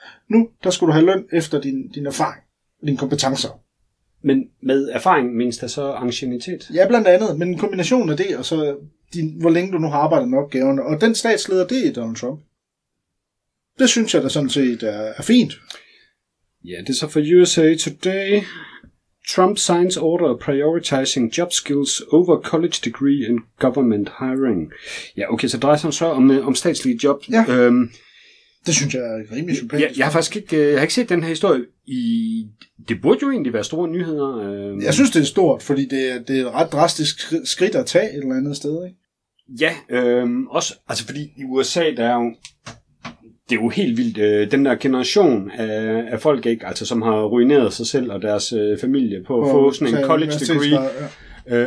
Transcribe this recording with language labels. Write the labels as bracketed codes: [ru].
[da] Nu, der skulle du have løn efter din erfaring og dine kompetencer. Men med erfaring, mindst der så anciennitet? Ja, blandt andet, men en kombination af det, og så hvor længe du nu har arbejdet med opgaverne. Og den statsleder, det er Donald Trump. Det synes jeg da sådan set er fint. Ja, det er så for USA Today... [en] Trump signs order prioritizing job skills over college degree and government hiring. [da] Ja, okay, så drejer sig så om statslige job. Ja. Det synes jeg er rimelig sympatisk. Ja, jeg har faktisk ikke, jeg har ikke set den her historie i... Det burde jo egentlig være store nyheder. Jeg synes, det er stort, fordi det er et ret drastisk skridt at tage et eller andet sted, ikke? Ja, også, altså fordi i USA, der er jo, det er jo helt vildt, den der generation af folk, ikke, altså som har ruineret sig selv og deres familie på at få sådan en college degree, ja.